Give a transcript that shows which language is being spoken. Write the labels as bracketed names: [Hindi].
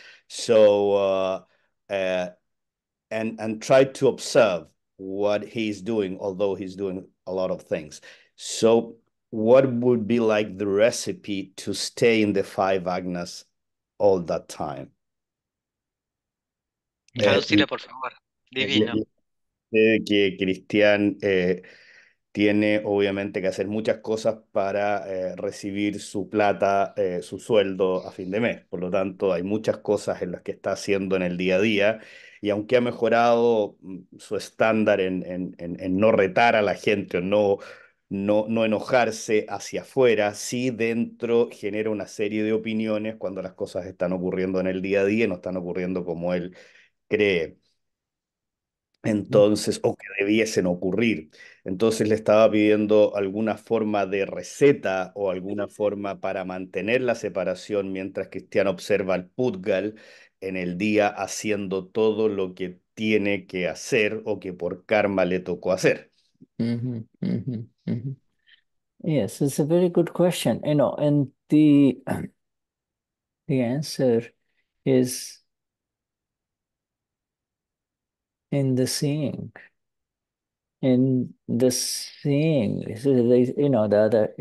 [English] So, and try to observe what he's doing, although he's doing a lot of things. So what would be like the recipe to stay in the five agnas all that time? [Spanish] Traducirlo, por favor. Divino. Que Cristian tiene obviamente que hacer muchas cosas para recibir su plata, su sueldo a fin de mes. Por lo tanto, hay muchas cosas en las que está haciendo en el día a día. Y aunque ha mejorado su estándar en no retar a la gente, o no enojarse hacia afuera, sí dentro genera una serie de opiniones cuando las cosas están ocurriendo en el día a día y no están ocurriendo como él cree. Entonces, o que debiesen ocurrir. Entonces le estaba pidiendo alguna forma de receta o alguna forma para mantener la separación mientras Cristian observa al Putgal en el día haciendo todo lo que tiene que hacer o que por karma le tocó hacer. [English] Yes, it's a very good question. You know, and the The answer is in the seeing. In the seeing, you know, the other.